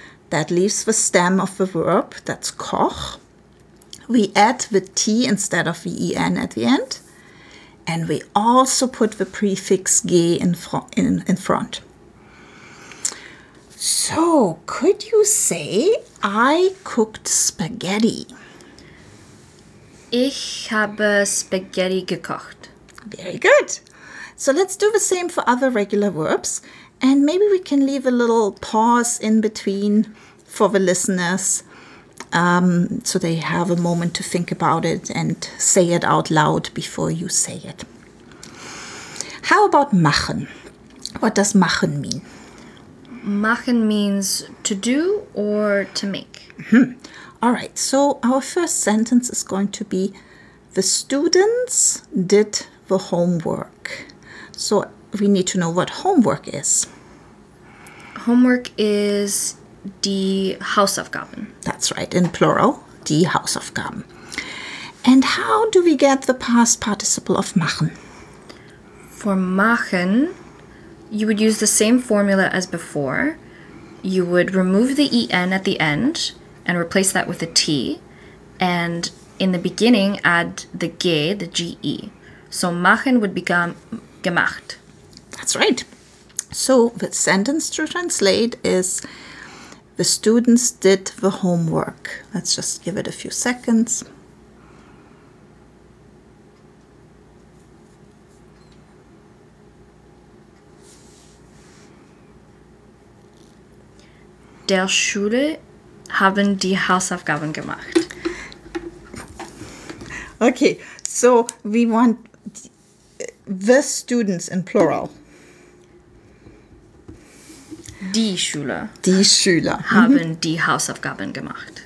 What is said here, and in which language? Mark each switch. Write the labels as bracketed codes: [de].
[en] That leaves the stem of the verb, that's koch. We add the t instead of the en at the end. And we also put the prefix ge in front. So, could you say, I cooked spaghetti? [de] Ich habe Spaghetti gekocht. [en] Very good. So let's do the same for other regular verbs. And maybe we can leave a little pause in between for the listeners, so they have a moment to think about it and say it out loud before you say it. How about machen? What does machen mean? Machen means to do or to make. Mm-hmm. All right, so our first sentence is going to be the students did the homework. So we need to know what homework is. Homework is die Hausaufgaben. That's right, in plural, die Hausaufgaben. And And how do we get the past participle of machen? For machen, you would use the same formula as before. You would remove the en at the end and replace that with a t. And in the beginning, add the ge, the ge. So machen would become gemacht. That's right. So the sentence to translate is, the students did the homework. Let's just give it a few seconds. [de] Der Schule haben die Hausaufgaben gemacht. [en] Okay, so we want the students in plural. [de] Die Schüler haben die Hausaufgaben gemacht.